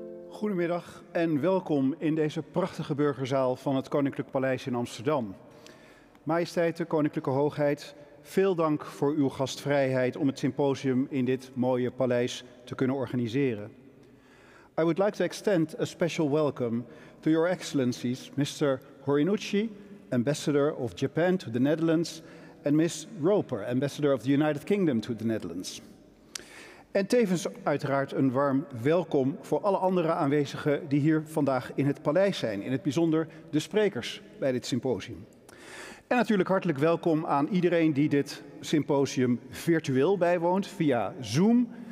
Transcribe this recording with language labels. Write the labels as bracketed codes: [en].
[nl] Goedemiddag en welkom in deze prachtige burgerzaal van het Koninklijk Paleis in Amsterdam. Majesteit de Koninklijke Hoogheid, veel dank voor uw gastvrijheid om het symposium in dit mooie paleis te kunnen organiseren. [en] I would like to extend a special welcome to your excellencies, Mr. Horinouchi, Ambassador of Japan to the Netherlands, and Ms. Roper, Ambassador of the United Kingdom to the Netherlands. [nl] En tevens uiteraard een warm welkom voor alle andere aanwezigen die hier vandaag in het paleis zijn. In het bijzonder de sprekers bij dit symposium. En natuurlijk hartelijk welkom aan iedereen die dit symposium virtueel bijwoont via Zoom.